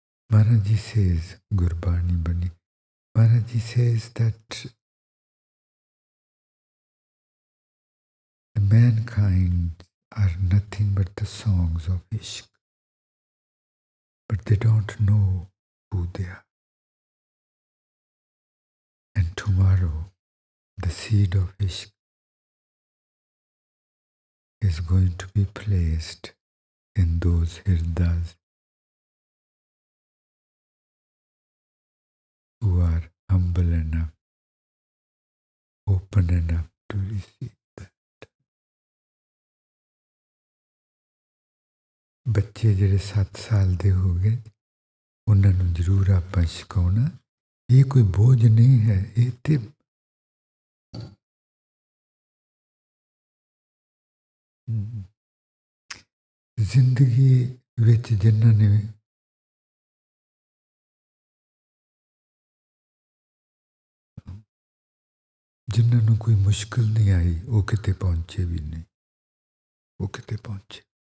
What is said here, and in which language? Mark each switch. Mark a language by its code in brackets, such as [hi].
[en] Maharaj ji says, [pa] Gurbani ਬਣੀ, [en] Maharaj ji says that mankind are nothing but the songs of ਇਸ਼ਕ, but they don't know who they are. And tomorrow the seed of ਇਸ਼ਕ is going to be placed in those hirdas who are humble enough, open enough to receive that. [pa] Bacche jede 7 saal de ho gaye unna nu zarur aapan sikhauna, eh koi bojh nahi hai, eh te ਜ਼ਿੰਦਗੀ ਵਿੱਚ ਜਿਨ੍ਹਾਂ ਨੇ ਜਿਨ੍ਹਾਂ ਨੂੰ ਕੋਈ ਮੁਸ਼ਕਿਲ ਨਹੀਂ ਆਈ, ਉਹ ਕਿਤੇ ਪਹੁੰਚੇ ਵੀ ਨਹੀਂ, ਉਹ ਕਿਤੇ ਪਹੁੰਚੇ।